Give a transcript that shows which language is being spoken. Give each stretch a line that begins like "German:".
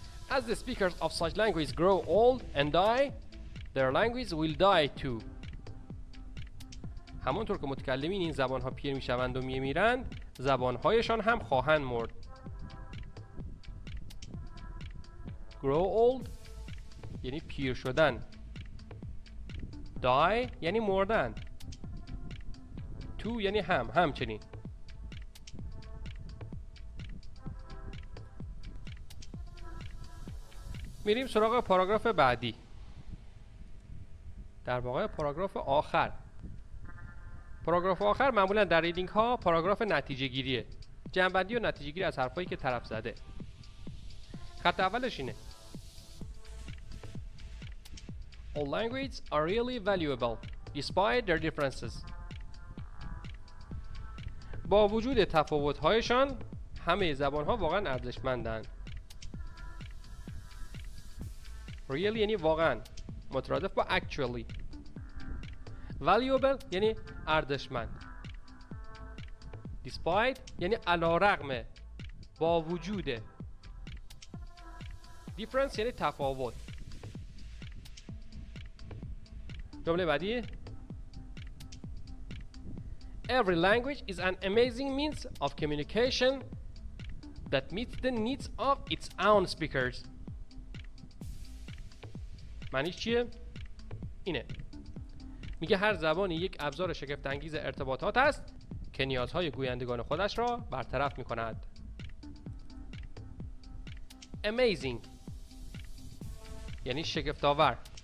English: As the speakers of such languages grow old and die, their language will die too.
Persian: همانطور که متکلمین این زبان ها پیر می شوند و می میرند، زبان هایشان هم خواهند مرد. Grow old یعنی پیر شدن. Die یعنی مردن. To یعنی هم، همچنین. میریم سراغ پاراگراف بعدی. در واقع پاراگراف آخر. پاراگراف آخر معمولا در ریدینگ ها پاراگراف نتیجه گیریه. جنبندی و نتیجه گیری از حرفایی که طرف زده. خط اولش اینه.
English: All languages are really valuable despite their differences.
Persian: با وجود تفاوت هایشان همه زبان ها واقعا ارزشمندن. Really یعنی واقعا، مترادف با actually. Valuable یعنی ارزشمند. Despite یعنی علارغم، با وجود. Difference یعنی تفاوت. جمله بعدی.
English: Every language is an amazing means of communication that meets the needs of its own speakers.
Persian: معنیش چیه؟ اینه. میگه هر زبانی یک ابزار شگفت انگیز ارتباطات است که نیازهای گویندگان خودش را برطرف میکند. Amazing یعنی شگفت آور.